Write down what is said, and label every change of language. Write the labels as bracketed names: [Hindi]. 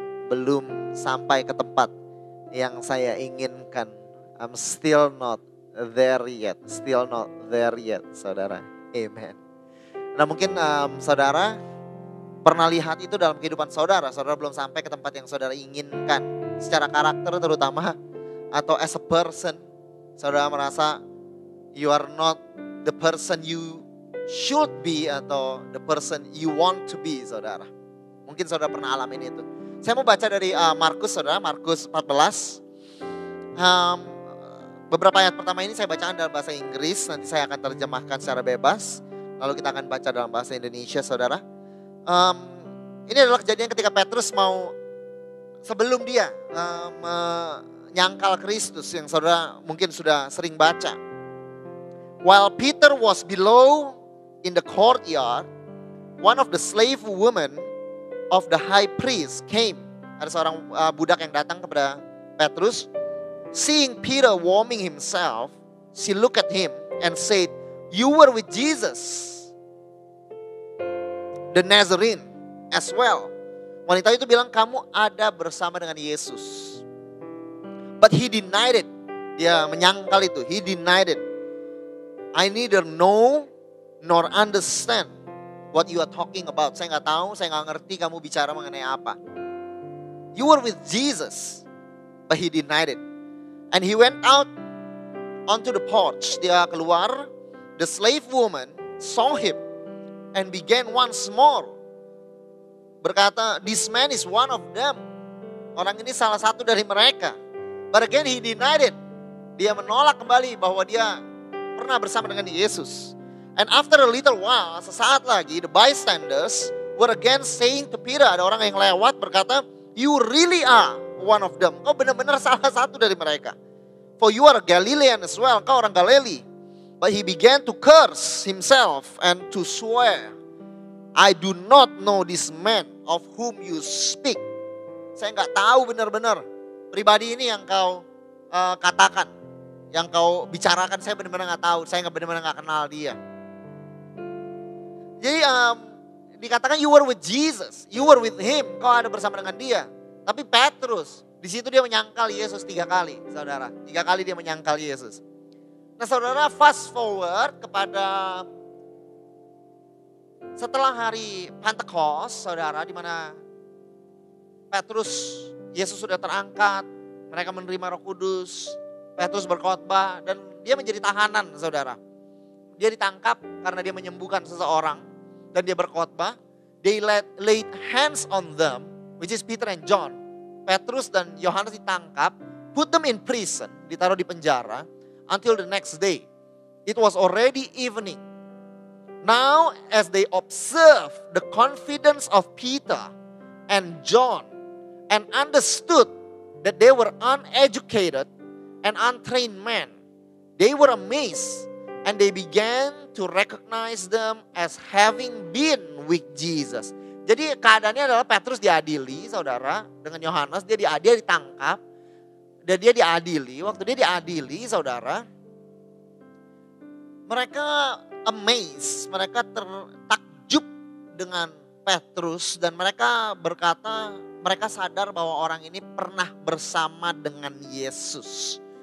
[Indonesian] Belum sampai ke tempat yang saya inginkan. [English] I'm still not there yet. Still not there yet, saudara. Amen. [Indonesian] Nah, mungkin saudara pernah lihat itu dalam kehidupan saudara. Saudara belum sampai ke tempat yang saudara inginkan. Secara karakter terutama. Atau [English] as a person. [Indonesian] Saudara merasa [English] you are not the person you should be. Atau the person you want to be, saudara. [Indonesian] Mungkin saudara pernah alamin itu. Saya mau baca dari Markus, saudara. Markus 14. Beberapa ayat pertama ini saya bacakan dalam bahasa Inggris. Nanti saya akan terjemahkan secara bebas. Lalu kita akan baca dalam bahasa Indonesia, saudara. Ini adalah kejadian ketika Petrus mau, sebelum dia menyangkal Kristus, yang saudara mungkin sudah sering baca. [English] While Peter was below in the courtyard, one of the slave women of the high priest came. [Indonesian] Ada seorang budak yang datang kepada Petrus. [English] Seeing Peter warming himself, she looked at him and said, "You were with Jesus, the Nazarene, as well." [Indonesian] Wanita itu bilang, "Kamu ada bersama dengan Yesus." [English] But he denied it. [Indonesian] Dia menyangkal itu. [English] He denied it. "I neither know nor understand what you are talking about." [Indonesian] Saya gak tahu, saya gak ngerti kamu bicara mengenai apa. [English] "You were with Jesus," but he denied it. "And he went out onto the porch." [Indonesian] Dia keluar. [English] The slave woman saw him and began once more. Berkata, "This man is one of them." [Indonesian] Orang ini salah satu dari mereka. [English] But again he denied it. [Indonesian] Dia menolak kembali bahwa dia pernah bersama dengan Yesus. [English] "And after a little while," [Indonesian] sesaat lagi, [English] "the bystanders were again saying to Peter," [Indonesian] ada orang yang lewat berkata, [English] "You really are one of them." [Indonesian] Kau benar-benar salah satu dari mereka. [English] "For you are a Galilean as well." [Indonesian] Kau orang Galilee. [English] "But he began to curse himself and to swear, 'I do not know this man of whom you speak.'" [Indonesian] Saya gak tahu benar-benar pribadi ini yang kau katakan, yang kau bicarakan. Saya benar-benar gak tahu. Saya benar-benar gak kenal dia. Jadi dikatakan, [English] "You were with Jesus. You were with him." [Indonesian] Kau ada bersama dengan dia. Tapi Petrus, di situ dia menyangkal Yesus 3 kali, saudara. 3 kali dia menyangkal Yesus. Nah, saudara, [English] fast forward [Indonesian] kepada setelah hari Pentecost, saudara, di mana Petrus, Yesus sudah terangkat, mereka menerima Roh Kudus, Petrus berkhotbah, dan dia menjadi tahanan, saudara. Dia ditangkap karena dia menyembuhkan seseorang, dan dia berkhotbah. [English] They laid hands on them, which is Peter and John. [Indonesian] Petrus dan Yohanes ditangkap, [English] put them in prison, [Indonesian] ditaruh di penjara. [English] until the next day. It was already evening. Now, as they observed the confidence of Peter and John and understood that they were uneducated and untrained men, they were amazed and they began to recognize them as having been with Jesus. [Indonesian] Jadi keadaannya adalah Petrus diadili, saudara, dengan Yohanes. Dia ditangkap dan dia diadili. Waktu dia diadili, saudara, mereka amazed, mereka tertakjub dengan Petrus dan mereka berkata, mereka sadar bahwa orang ini pernah bersama dengan Yesus.